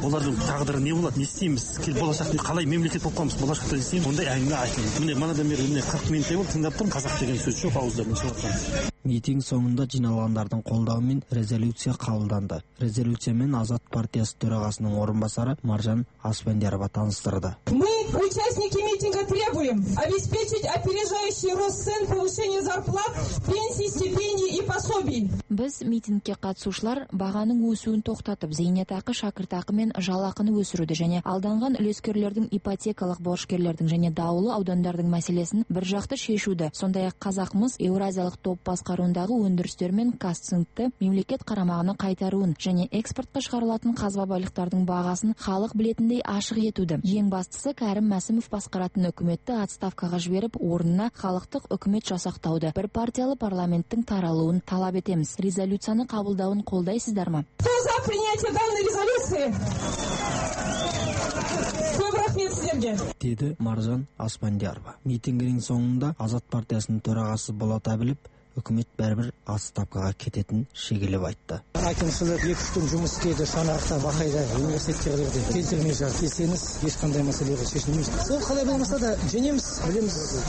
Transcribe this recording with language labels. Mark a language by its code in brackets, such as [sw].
[kk] Олардың тағдыры не болады? Не істейміз? Болашақта қалай мемлекет болып қаламыз? Болашақта не істейміз? Ондай әңгіме айтылмайды. Міне, манадан бері 40 минуттай болды тыңдап тұрмын. Қазақ деген сөз жоқ ауыздарымнан шығып жатыр. Митинг соңында жиналғандардың қолдауымен резолюция қабылданды. Резолюциямен Азат партиясы төрағасының орынбасары Маржан Аспендиярова таныстырды. [ru] Участники митинга требуем обеспечить опережающий рост цен, повышение зарплат, пенсий, стипендий и пособий. [kk] Біз митингке қатысушылар бағаның өсуін тоқтатып, зейнетақы, шәкіртақы мен жалақыны өсіруді және алданған үлескерлердің ипотекалық борышкерлердің және даулы аудандардың мәселесін бір жақты шешуді, сондай-ақ қазақмыс еуразиялық топ басқаруындағы өндірістер мен кастингті мемлекет қарамағына қайтаруын және экспортқа шығарылатын қазба байлықтардың бағасын халық білетіндей ашық етуді. Ең бастысы Кәрім Мәсімов басқаратын үкіметті отставкаға жіберіп, орнына халықтық үкімет жасақтауды, бір партиялы парламенттің таралуын талап етеміз. Резолюцияны қабылдауын қолдайсыздар ма? [ru] Кто за принятие данной резолюции? [kk] Деді Маржан Аспандиярова. Митингінің соңында Азат партиясының төрағасы Болат Әбілов үкімет бәрібір отставкаға кететінін шегелеп айтты. Әкімшілік екі күн жұмыс істейді, санақта, бағайда, университеттерде келтірмей жатыр. Келсеңіз, ешқандай мәселеге шешілмейді. Сол қалай болмаса да жеңеміз, білеміз.